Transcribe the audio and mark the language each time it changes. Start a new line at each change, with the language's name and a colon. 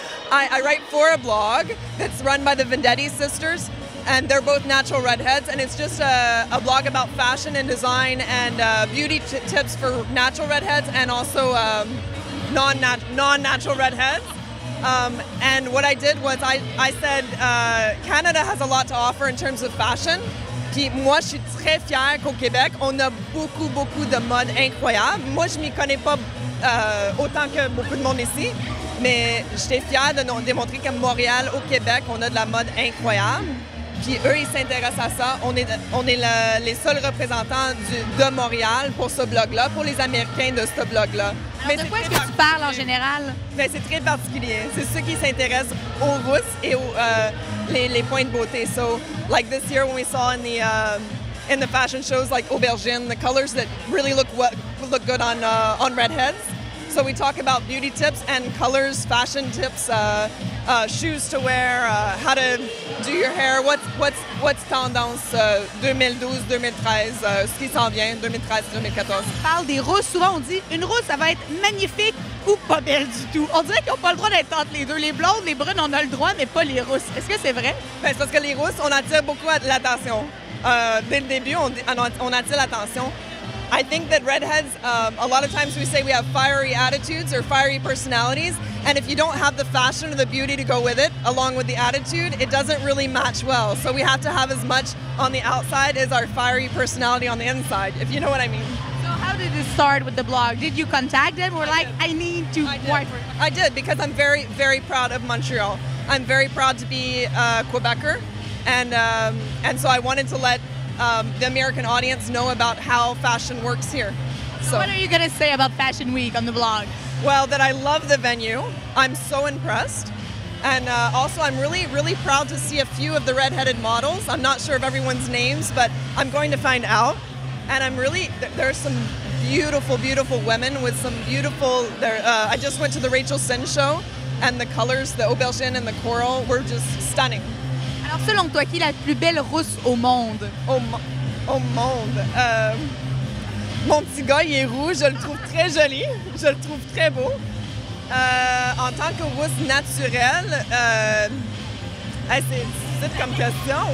English: I write for a blog that's run by the Vendetti sisters, and they're both natural redheads, and it's just a blog about fashion and design and beauty tips for natural redheads and also non-natural redheads. And what I did was I said Canada has a lot to offer in terms of fashion.
French: Puis moi, je suis très fière qu'au Québec, on a beaucoup, beaucoup de mode incroyable. Moi, je m'y connais pas autant que beaucoup de monde ici. Mais j'étais fière de démontrer qu'à Montréal, au Québec, on a de la mode incroyable. Puis eux, ils s'intéressent à ça. On est les seuls représentants de Montréal pour ce blog-là, pour les Américains de ce blog-là. Alors, mais de quoi est-ce que tu parles en général? Bien, c'est très particulier. C'est ceux qui s'intéressent aux rousses et aux les points de beauté.
English: So, like this year, when we saw in the fashion shows, like aubergine, the colors that really look good on redheads. So we talk about beauty tips and colors, fashion tips, shoes to wear, how to do your hair, what's tendance 2012-2013,
French: ce qui s'en vient, 2013-2014. On parle des rousses, souvent on dit une rousse ça va être magnifique ou pas belle du tout. On dirait qu'ils n'ont pas le droit d'être entre les deux. Les blondes, les brunes, on a le droit, mais pas les rousses. Est-ce que c'est vrai? Ben, c'est parce que les rousses, on attire beaucoup l'attention. Dès le début, on attire l'attention.
English: I think that redheads, a lot of times we say we have fiery attitudes or fiery personalities, and if you don't have the fashion or the beauty to go with it, along with the attitude, it doesn't really match well. So we have to have as much on the outside as our fiery personality on the inside, if you know what I mean. So how did this start with the blog? Did you contact them or like, I need to work? I did, because I'm very, very proud of Montreal. I'm very proud to be a Quebecer, and so I wanted to let the American audience know about how fashion works here. So what are you going to say about Fashion Week on the blog? Well, that I love the venue. I'm so impressed. And also, I'm really, really proud to see a few of the redheaded models. I'm not sure of everyone's names, but I'm going to find out. And I'm really, there are some beautiful, beautiful women with some beautiful, I just went to the Rachel Sin show, and the colors, the aubergine and the coral, were just stunning.
French: Alors, selon toi, qui est la plus belle rousse au monde? Au monde? Mon petit gars, il est rouge. Je le trouve très joli. Je le trouve très beau. En tant que rousse naturelle, c'est comme question.